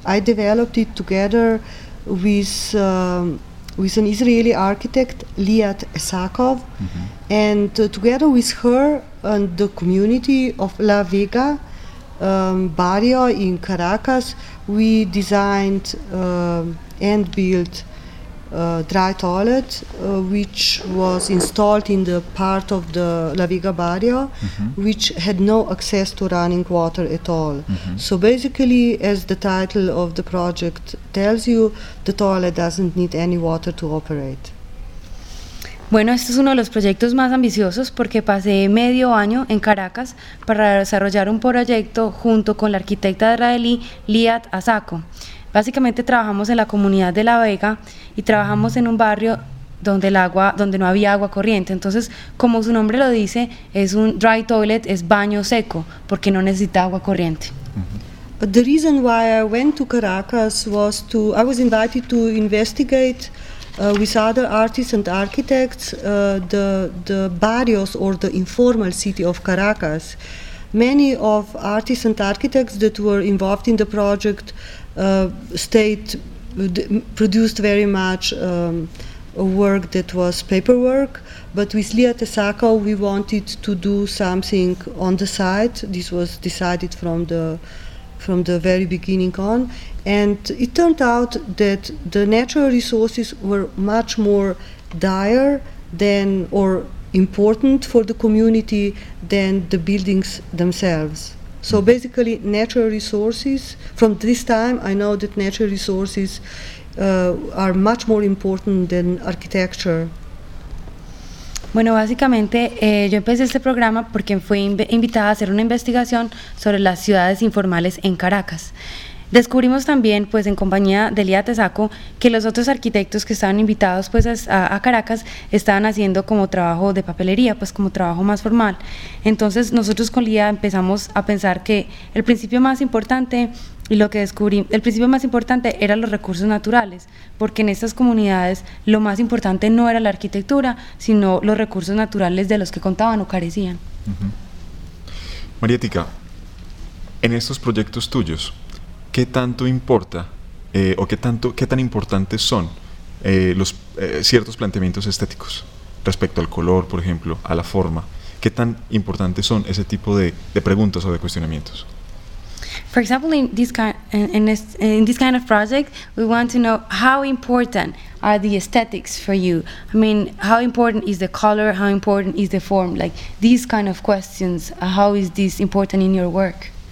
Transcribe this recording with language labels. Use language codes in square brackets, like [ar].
[en] I developed it together with an Israeli architect, Liat Esakov, and together with her and the community of La Vega Barrio in Caracas, we designed and built dry toilet, which was installed in the part of the La Vega Barrio, which had no access to running water at all. So basically, as the title of the project tells you, the toilet doesn't need any water to operate. [es] Bueno, este es uno de los proyectos más ambiciosos porque pasé medio año en Caracas para desarrollar un proyecto junto con la arquitecta israelí Liat Asako. Básicamente trabajamos en la comunidad de La Vega y trabajamos en un barrio donde no había agua corriente. Entonces, como su nombre lo dice, es un dry toilet, es baño seco, porque no necesita agua corriente. [en] The reason why I went to Caracas was to, I was invited to investigate with other artists and architects the barrios or the informal city of Caracas. Many of artists and architects that were involved in the project produced very much work that was paperwork, but with Liat Esakov we wanted to do something on the side. This was decided from the from the very beginning on. And it turned out that the natural resources were much more dire than or important for the community than the buildings themselves. So basically natural resources, from this time I know that natural resources are much more important than architecture. [es] Bueno, básicamente yo empecé este programa porque fui invitada a hacer una investigación sobre las ciudades informales en Caracas. Descubrimos también, pues en compañía de Lía Tesaco, que los otros arquitectos que estaban invitados pues a Caracas estaban haciendo como trabajo de papelería, pues como trabajo más formal. Entonces nosotros con Lía empezamos a pensar que el principio más importante y lo que descubrí, el principio más importante eran los recursos naturales, porque en estas comunidades lo más importante no era la arquitectura, sino los recursos naturales de los que contaban o carecían. Uh-huh. Marietica, en estos proyectos tuyos, ¿qué tanto importa o qué tan importantes son los ciertos planteamientos estéticos respecto al color, por ejemplo, a la forma? ¿Qué tan importantes son ese tipo de preguntas o de cuestionamientos? [en] For example, in this kind of project, we want to know how important are the aesthetics for you. I mean, how important is the color? How important is the form? Like these kind of questions. How is this important in your work?